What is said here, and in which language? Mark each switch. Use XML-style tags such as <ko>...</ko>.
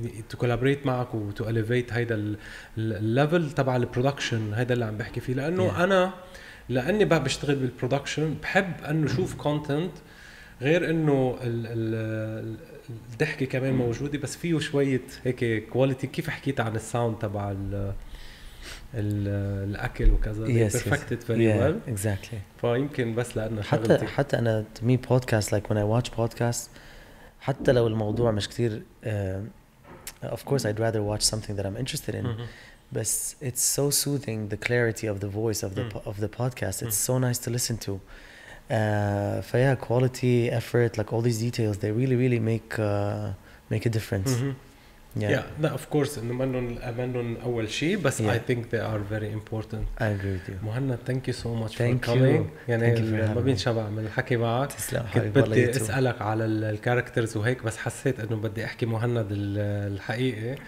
<en>to collaborate</en> <ar>معك و</ar> <en>to elevate</en> <ar>هيدا الليفل تبع البرودكشن هيدا اللي عم بحكي فيه لأنه yeah. أنا لأني بقى بشتغل بالبرودكشن بحب أنه شوف كونتنت غير أنه الضحكة كمان موجودة بس فيه شوية هيك كواليتي كيف حكيت عن الساوند تبع الأكل وكذا</ar> <en>yes, perfected very yeah, well exactly.</en> <ar>فيمكن بس لأنه حتى أنا</ar> <en>to me podcast like when I watch podcast</en> <ar>حتى لو الموضوع مش كتير</ar> <en>Of course, I'd rather watch something that I'm interested in, but it's so soothing the clarity of the voice of the of the podcast. It's so nice to listen to. Yeah, quality, effort, like all these details, they really, really make make a difference. Yeah, of course,</en> <ar>أمنهم أول شيء,</ar> <en>بس yeah. I think they are very important. I agree with you. مهند, thank you so much thank for coming. You. يعني thank you.</en> <ar>ما بين شبع من الحكي معك. تسلم حبيبي. كنت بدي أسألك على الكاركترز وهيك, بس حسيت إنه بدي أحكي مهند الحقيقي.</ar>